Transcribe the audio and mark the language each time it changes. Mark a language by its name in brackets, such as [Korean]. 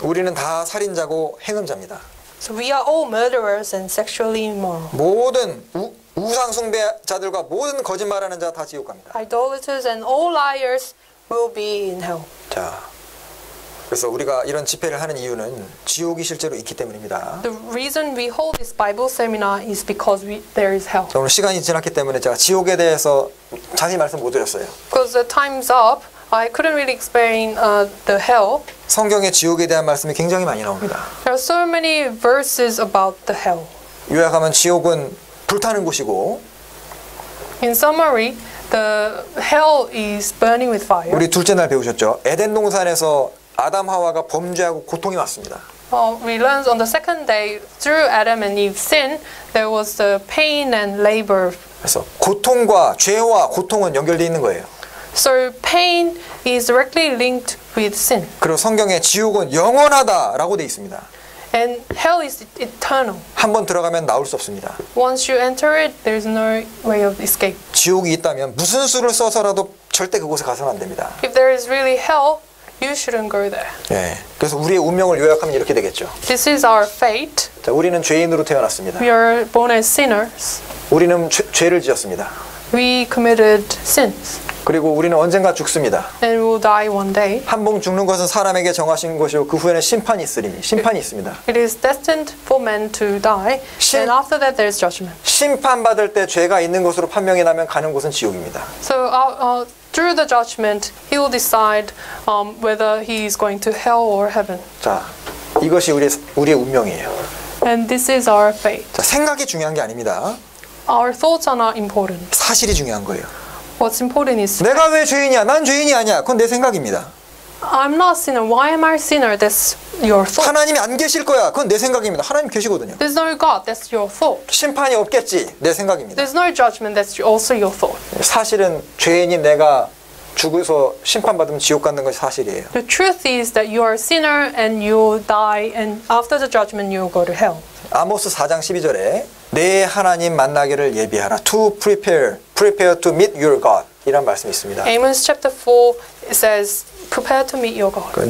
[Korean] 우리는 다 살인자고 행음자입니다. [English] So we are all murderers and sexually immoral. [Korean] 모든 우상 숭배자들과 모든 거짓말하는 자 다 지옥 갑니다. [English] Idolaters and all liars will be in hell. [Korean] 자, 그래서 우리가 이런 집회를 하는 이유는 지옥이 실제로 있기 때문입니다. [English] The reason we hold this Bible seminar is because there is hell. [Korean] 오늘 시간이 지났기 때문에 제가 지옥에 대해서 자세히 말씀 못 드렸어요. [English] Because the time's up, I couldn't really explain the hell. [Korean] 성경에 지옥에 대한 말씀이 굉장히 많이 나옵니다. [English] There are so many verses about the hell. [Korean] 요약하면 지옥은 불타는 곳이고. [English] In summary, the hell is burning with fire. [Korean] 우리 둘째 날 배우셨죠? 에덴 동산에서 아담 하와가 범죄하고 고통이 왔습니다. [English] We learned on the second day through Adam and Eve's sin, there was the pain and labor. [Korean] 그래서 고통과 죄와 고통은 연결되어 있는 거예요. [English] So pain is directly linked with sin. [Korean] 그리고 성경에 지옥은 영원하다라고 돼 있습니다. [English] And hell is eternal. [Korean] 한 번 들어가면 나올 수 없습니다. [English] Once you enter it, there's no way of escape. [Korean] 지옥이 있다면 무슨 수를 써서라도 절대 그곳에 가서는 안 됩니다. [English] If there is really hell, you shouldn't go there. [Korean] 예. 네, 그래서 우리의 운명을 요약하면 이렇게 되겠죠. [English] This is our fate. [Korean] 자, 우리는 죄인으로 태어났습니다. [English] We are born as sinners. [Korean] 우리는 죄를 지었습니다. [English] We committed sins. [Korean] 그리고 우리는 언젠가 죽습니다. [English] And we'll die one day. [Korean] 한 번 죽는 것은 사람에게 정하신 것이요 그 후에는 심판이 있으리니 심판이 있습니다. [English] It is destined for men to die. And after that, there's judgment. [Korean] 심판 받을 때 죄가 있는 것으로 판명이 나면 가는 곳은 지옥입니다. [English] So through the judgment, he will decide whether he is going to hell or heaven. [Korean] 자, 이것이 우리의 운명이에요. [English] And this is our fate. [Korean] 자, 생각이 중요한 게 아닙니다. [English] Our thoughts are not important. [Korean] 사실이 중요한 거예요. [English] What's important is [Korean] 내가 왜 죄인이야? 난 죄인이 아니야. 그건 내 생각입니다. [English] I'm not a sinner. Why am I a sinner? That's your thought. [Korean] 하나님이 안 계실 거야. 그건 내 생각입니다. 하나님 계시거든요. [English] There's no God. That's your thought. [Korean] 심판이 없겠지. 내 생각입니다. [English] There's no judgment. That's also your thought. [Korean] 사실은 죄인인 내가 죽어서 심판받으면 지옥 가는 것이 사실이에요. [English] The truth is that you are a sinner and you'll die and after the judgment you'll go to hell. [Korean] 아모스 4장 12절에 내 하나님 만나기를 예비하라. [English] To prepare to meet your God. [Korean] 이런 말씀이 있습니다. [English] Amos chapter 4 says, prepare to meet your God.